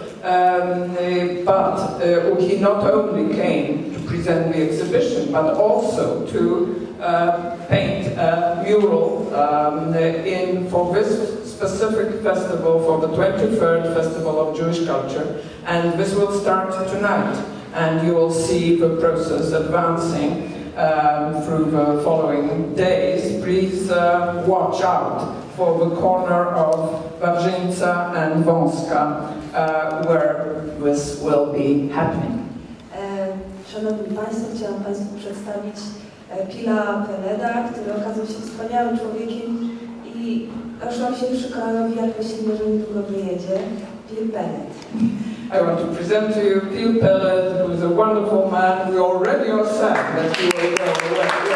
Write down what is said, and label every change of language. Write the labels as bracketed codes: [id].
[en] But he not only came to present the exhibition, but also to paint a mural for this specific festival, for the 23rd Festival of Jewish Culture, and this will start tonight, and you will see the process advancing through the following days. Please watch out for the corner of Wawrzyńca and Wąska where this will be happening. [pl] Szanowni Państwo, chciałam Państwu przedstawić Gila Pelleda, który okazał się wspaniałym człowiekiem i oszłam się przy Karolowi, jak myślimy, że niedługo wyjedzie. Gil Pelled. [en] I want to present to you Gil Pelled, who is a wonderful man. We already are sad that he will go away.